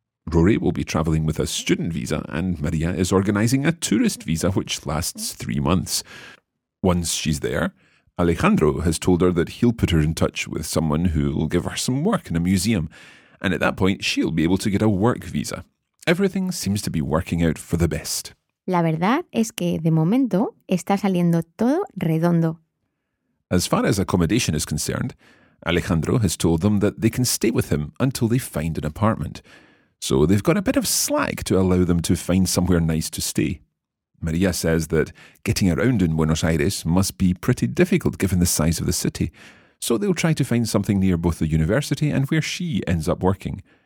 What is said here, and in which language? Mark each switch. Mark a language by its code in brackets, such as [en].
[en] Rory will be travelling with a student visa and Maria is organising a tourist visa which lasts 3 months. Once she's there, Alejandro has told her that he'll put her in touch with someone who'll give her some work in a museum. And at that point, she'll be able to get a work visa. Everything seems to be working out for the best. [es] La verdad es que, de momento, está saliendo todo redondo. [en] As far as accommodation is concerned, Alejandro has told them that they can stay with him until they find an apartment. So they've got a bit of slack to allow them to find somewhere nice to stay. Maria says that getting around in Buenos Aires must be pretty difficult given the size of the city, so they'll try to find something near both the university and where she ends up working.